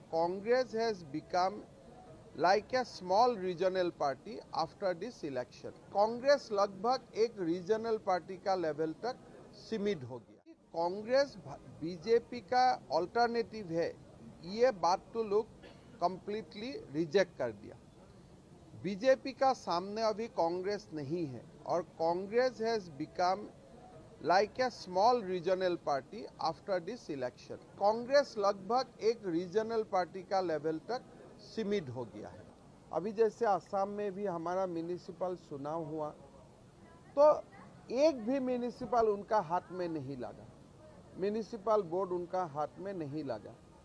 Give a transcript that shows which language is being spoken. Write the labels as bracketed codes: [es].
[en] Congress has become like a small regional party after this election. [hi] Congress लगभग एक regional party का level तक सीमित हो गया. Congress बीजेपी का alternative है, ये बात तो लोग completely reject कर दिया. बीजेपी का सामने अभी Congress नहीं है और [en] Congress has become like a small regional party after this election. [hi] Congress लगभग एक regional party का level तक सीमित हो गया है. अभी जैसे आसाम में भी हमारा म्यूनिसिपल चुनाव हुआ तो एक भी म्यूनिसिपल उनका हाथ में नहीं लगा, म्यूनिसिपल बोर्ड उनका हाथ में नहीं लगा.